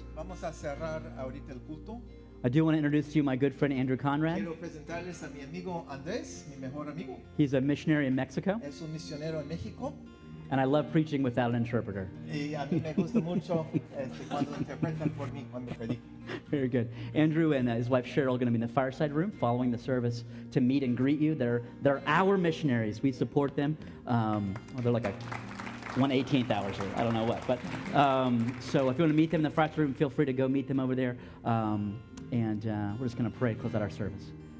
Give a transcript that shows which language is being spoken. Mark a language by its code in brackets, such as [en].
[es] Vamos a cerrar ahorita el culto. [en] I do want to introduce to you my good friend Andrew Conrad. [es] Quiero presentarles a mi amigo Andrés, mi mejor amigo. [en] He's a missionary in Mexico. [es] Es un misionero en México. [en] And I love preaching without an interpreter. [es] Y a mí me gusta mucho cuando interpretan por mí cuando predico. [en] Very good. Andrew and his wife Cheryl are going to be in the fireside room following the service to meet and greet you. They're our missionaries. We support them. They're like a 1/18th hours, or I don't know what, but so if you want to meet them in the fraternity room, feel free to go meet them over there, and we're just going to pray, close out our service.